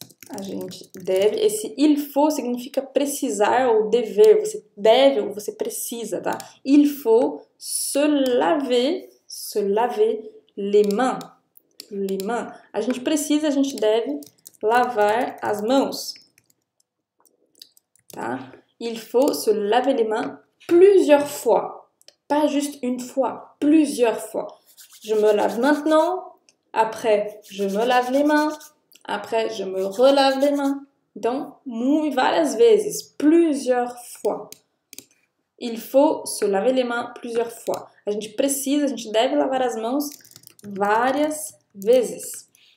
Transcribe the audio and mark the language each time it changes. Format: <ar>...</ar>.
<pt>A gente deve, esse il faut significa precisar ou dever, você deve ou você precisa, tá?</pt> <fr>Il faut se laver les mains.</fr> <pt>A gente deve lavar as mãos, tá?</pt> <fr>Il faut se laver les mains plusieurs fois, pas juste une fois, plusieurs fois. Je me lave maintenant. Après, je me lave les mains. Après, je me relave les mains.</fr> <pt>Então, várias vezes,</pt> <fr>plusieurs fois. Il faut se laver les mains plusieurs fois.</fr> <pt>A gente deve lavar as mãos várias vezes.</pt>